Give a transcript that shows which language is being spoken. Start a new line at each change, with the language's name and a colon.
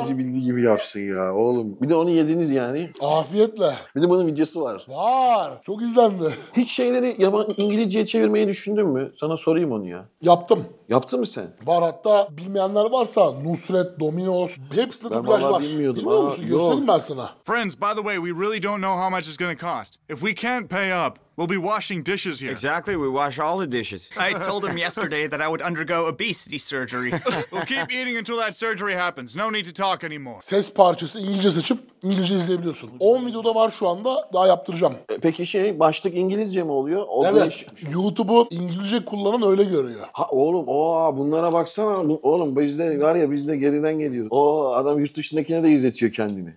Turkish: sizi bildiği gibi yapsın ya oğlum. Bir de onu yediniz yani. Afiyetle. Bir de bunun videosu var. Var. Çok izlendi. Hiç şeyleri yaban İngilizce'ye çevirmeyi düşündün mü? Sana sorayım onu ya. Yaptım. Yaptın mı sen? Var, hatta bilmeyenler varsa Nusret, Domino's, hepsinde dublaj var. Ben vallahi bilmiyordum. Bilmiyor musun? Göstereyim ben sana.
English: Friends, by the way, we really don't know how much it's gonna cost. If we can't pay up, we'll be washing dishes here. Exactly, we wash all the dishes. I told him yesterday that I would undergo obesity surgery. We'll keep eating until that surgery happens. No need to talk anymore.
Turkish: Ses parçası İngilizce seçip İngilizce izleyebiliyorsun. 10 videoda var şu anda, daha yaptıracağım. Peki şey, başlık İngilizce mi oluyor? O evet, değiş... YouTube'u İngilizce kullanan öyle görüyor. Ha oğlum, ooo bunlara baksana. Oğlum bizde var ya, bizde geriden geliyoruz. Ooo adam yurt dışındakine de izletiyor kendini.